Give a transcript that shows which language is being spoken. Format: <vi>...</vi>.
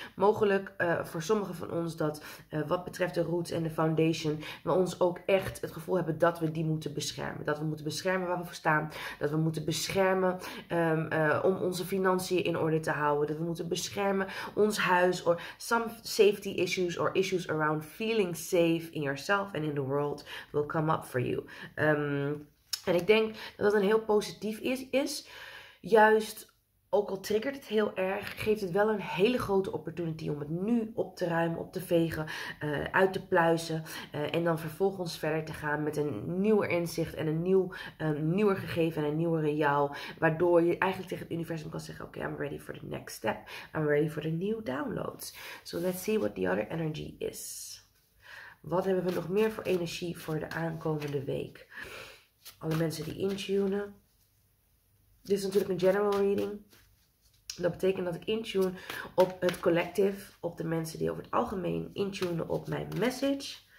<nl>Mogelijk voor sommigen van ons dat wat betreft de roots en de foundation, we ons ook echt het gevoel hebben dat we die moeten beschermen. Dat we moeten beschermen waar we voor staan. Dat we moeten beschermen om onze financiën in orde te houden. Dat we moeten beschermen ons huis.</nl> <en>Or some safety issues or issues around feeling safe in yourself and in the world will come up for you.</en> <nl>En ik denk dat dat een heel positief is. Juist, ook al triggert het heel erg, geeft het wel een hele grote opportunity om het nu op te ruimen, op te vegen, uit te pluizen. En dan vervolgens verder te gaan met een nieuwer inzicht en een nieuwer gegeven en een nieuwere jou. Waardoor je eigenlijk tegen het universum kan zeggen, oké,</nl> <en>I'm ready for the next step. I'm ready for the new downloads. So let's see what the other energy is.</en> <nl>Wat hebben we nog meer voor energie voor de aankomende week? Alle mensen die intunen. Dit is natuurlijk een</nl> <en>general reading.</en> <nl>Dat betekent dat ik intune op het collective. Op de mensen die over het algemeen intunen op mijn message.</nl>